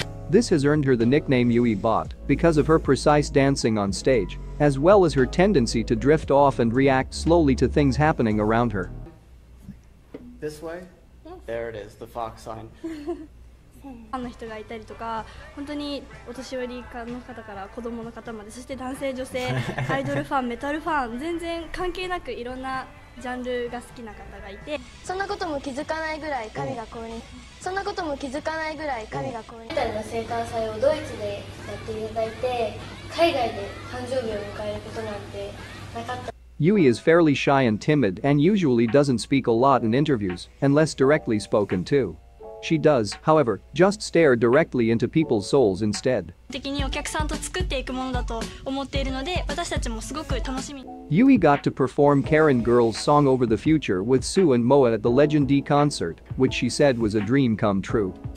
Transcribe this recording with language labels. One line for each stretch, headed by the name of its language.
English: This has earned her the nickname Yui Bot because of her precise dancing on stage, as well as her tendency to drift off and react slowly to things happening around her. This way? Yes. There it is, the fox sign.
Japanese: ファンの人がいたりとか、本当にお年寄りの方から子供の方まで、そして男性女性、アイドルファン、メタルファン、全然関係なくいろんなジャンルが好きな方がいて、そんなことも気づかないぐらい神が降臨、そんなことも気づかないぐらい神が降臨。メタルの生誕祭をドイツでやっていただいて、海外で誕生日を迎えることなんてなかった。
English: Yui is fairly shy and timid and usually doesn't speak a lot in interviews, unless directly spoken to. She does, however, just stare directly into people's souls instead. Yui got to perform Karen Girl's song Over the Future with Sue and Moa at the Legend D concert, which she said was a dream come true.